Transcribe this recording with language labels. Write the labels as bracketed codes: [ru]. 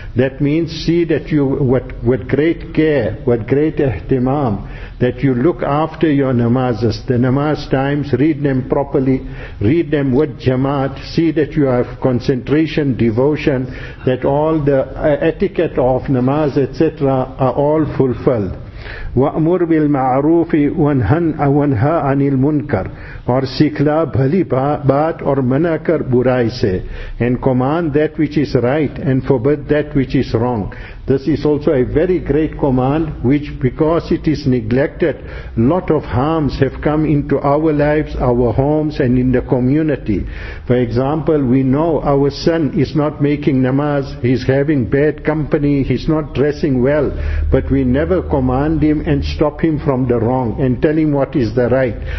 [en] That means see that you, with great care, with great ihtimam, that you look after your namazes, the namaz times, read them properly, read them with jamaat, see that you have concentration, devotion, that all the etiquette of namaz, etc., are all fulfilled. [ar] وَأْمُرْ بِالْمَعْرُوفِ وَنْهَا عَنِ الْمُنْكَرِ [ur] اور سکھلا بھلی بات اور منع کر برائی سے. [en] And command that which is right and forbid that which is wrong. This is also a very great command which, because it is neglected, lot of harms have come into our lives, our homes, and in the community. For example, we know our son is not making namaz, he's having bad company, he's not dressing well, but we never command him and stop him from the wrong and tell him what is the right.